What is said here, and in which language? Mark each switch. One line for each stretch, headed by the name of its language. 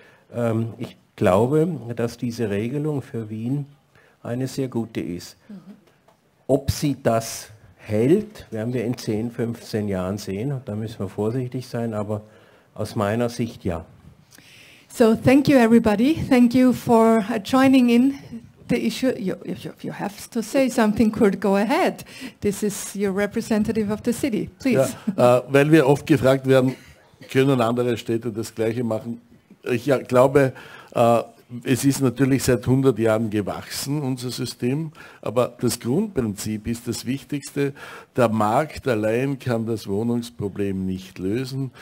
German: Und ich glaube, dass diese Regelung für Wien eine sehr gute ist. Ob sie das hält, werden wir in 10, 15 Jahren sehen. Da müssen wir vorsichtig sein, aber aus meiner Sicht ja.
English: So thank you, everybody. Thank you for joining in the issue. If you have to say something, Kurt, go ahead. This is your representative of the city. Please. Ja,
German: weil wir oft gefragt werden, können andere Städte das Gleiche machen? Ich glaube, es ist natürlich seit 100 Jahren gewachsen, unser System. Aber das Grundprinzip ist das Wichtigste. Der Markt allein kann das Wohnungsproblem nicht lösen.